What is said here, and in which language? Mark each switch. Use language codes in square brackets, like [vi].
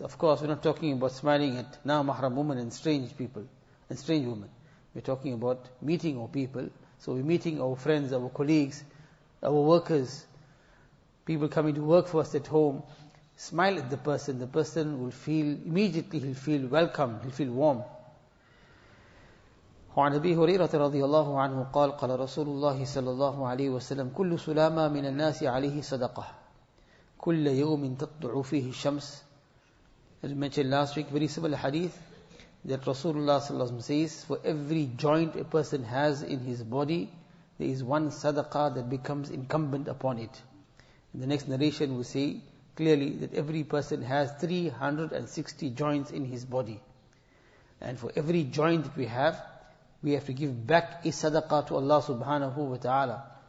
[en] Of course, we're not talking about smiling at non-mahram women and strange people, and strange women. We're talking about meeting our people. So we're meeting our friends, our colleagues, our workers, people coming to work for us at home. Smile at the person. The person will feel, immediately he'll feel welcome, he'll feel warm. [ar] وعن أبي هريرة رضي الله عنه قال قال رسول الله صلى الله عليه وسلم كل سلامة من الناس عليه صدقة كل يوم تطلع فيه الشمس. [en] As mentioned last week, very similar hadith that Rasulullah صلى الله عليه وسلم says, for every joint a person has in his body, there is one sadaqah that becomes incumbent upon it. In the next narration we say clearly that every person has 360 joints in his body, and for every joint that we have, we have to give back a sadaqah to Allah subhanahu wa ta'ala.